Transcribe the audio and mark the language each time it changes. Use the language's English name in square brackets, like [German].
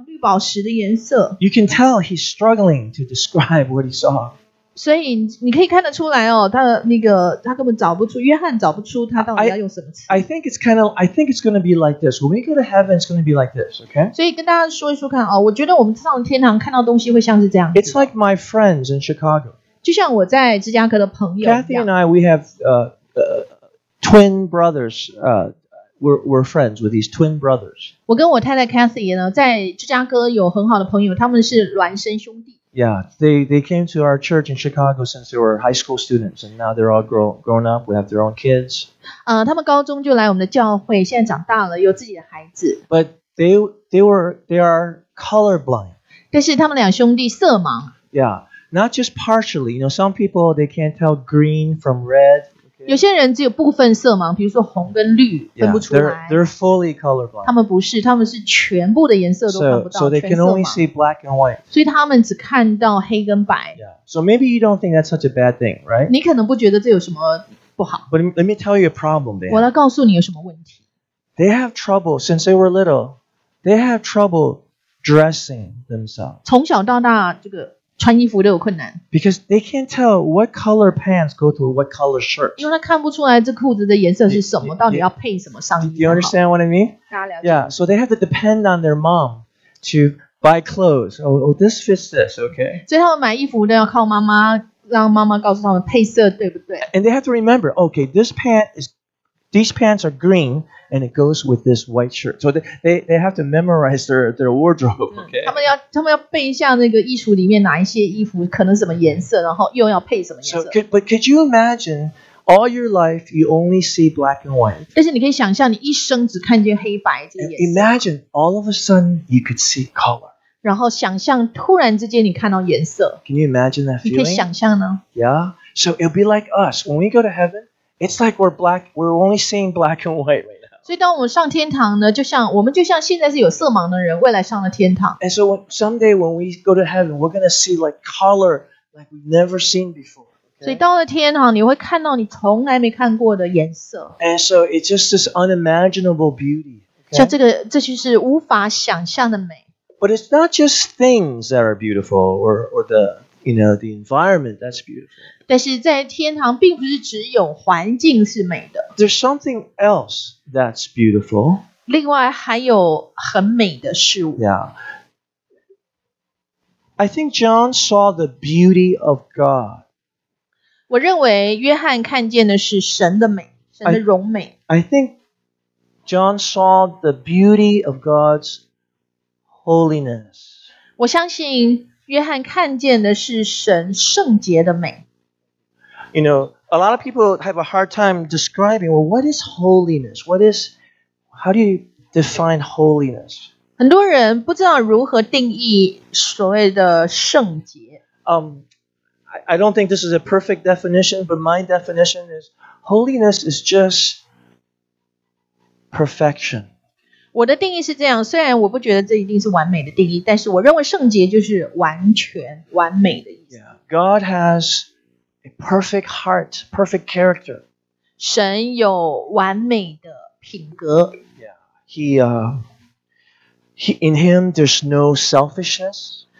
[English] You can tell he's struggling to describe what he saw. So you can [Chinese] 看得出来哦，他那个他根本找不出，约翰找不出他到底要用什么词。 [English] I think it's going to be like this. When we go to heaven, it's going to be like this. Okay. [Chinese] 所以跟大家说一说看哦，我觉得我们上天堂看到东西会像是这样。 [English] It's like my friends in Chicago. [Chinese] 就像我在芝加哥的朋友一样。 [English] Kathy and I, we have twin brothers. We're friends with these twin brothers. [Chinese] 我跟我太太 Kathy 呢，在芝加哥有很好的朋友，他们是孪生兄弟。 [English] Yeah, they came to our church in Chicago since they were high school students, and now they're all grown up. We have their own kids. [Chinese] 他们高中就来我们的教会，现在长大了，有自己的孩子。 [English] But they are colorblind. [Chinese] 但是他们两兄弟色盲。 [English] Yeah, not just partially. You know, some people they can't tell green from red. Okay. [Chinese] 有些人只有部分色盲，比如说红跟绿 [English] yeah, [Chinese] 分不出来。 [English] They're fully colorblind. [Chinese] 他们不是，他们是全部的颜色都看不到，全色盲。 [English] So they can only see black and white. [Chinese] 所以他们只看到黑跟白。 [English] Yeah. So maybe you don't think that's such a bad thing, right? [Chinese] 你可能不觉得这有什么不好。 [English] But let me tell you a problem, Dan. [Chinese] 我来告诉你有什么问题。 [English] They have trouble since they were little. They have trouble dressing themselves. [Chinese] 从小到大，这个。穿衣服都有困难。 [English] Because they can't tell what color pants go to what color shirt. [Chinese] 因为他看不出来这裤子的颜色是什么，到底要配什么上衣。 [English] Do you understand what I mean? [Chinese] 大家了解。 [English] Yeah, so they have to depend on their mom to buy clothes. Oh, this fits this, okay. [Chinese] 所以他们买衣服都要靠妈妈，让妈妈告诉他们配色，对不对？ [English] And they have to remember, okay, these pants are green. And it goes with this white shirt. So they have to memorize their wardrobe, okay? [Chinese] 他们要背一下那个衣橱里面哪一些衣服可能什么颜色，然后又要配什么颜色。 [English] But could you imagine all your life you only see black and white? [Chinese] 但是你可以想象你一生只看见黑白这个颜色。 [English] Imagine all of a sudden you could see color. [Chinese] 然后想象突然之间你看到颜色。 [English] Can you imagine that feeling? [Chinese] 你可以想象呢。 [English] Yeah. So it'll be like us. When we go to heaven, it's like we're only seeing black and white, right? [Chinese] 所以当我们上天堂呢，我们就像现在是有色盲的人，未来上了天堂。 [English] And so someday when we go to heaven, we're gonna see like color like we've never seen before.、Okay? [Chinese] 所以到了天堂，你会看到你从来没看过的颜色。 [English] And so it's just this unimaginable beauty.、Okay? [Chinese] 像这就是无法想象的美。 [English] But it's not just things that are beautiful or the you know the environment that's beautiful. [Chinese] 但是在天堂并不是只有环境是美的。 [English] There's something else. That's beautiful. [Chinese] 另外还有很美的事物。 [English] Yeah. I think John saw the beauty of God. [Chinese] 我认为约翰看见的是神的美，神的荣美。 [English] I think John saw the beauty of God's holiness. [Chinese] 我相信约翰看见的是神圣洁的美。 [English] You know,A lot of people have a hard time describing, well, what is holiness? How do you define holiness? [Chinese] 很多人不知道如何定义所谓的圣洁。 [English] I don't think this is a perfect definition, but my definition is holiness is just perfection. [Chinese] 我的定义是这样，虽然我不觉得这一定是完美的定义，但是我认为圣洁就是完全、完美的意思。 [English] Yeah, God has... A perfect heart, perfect character. [Chinese] 神有完美的品格。 [English] Yeah, he in him there's no selfishness.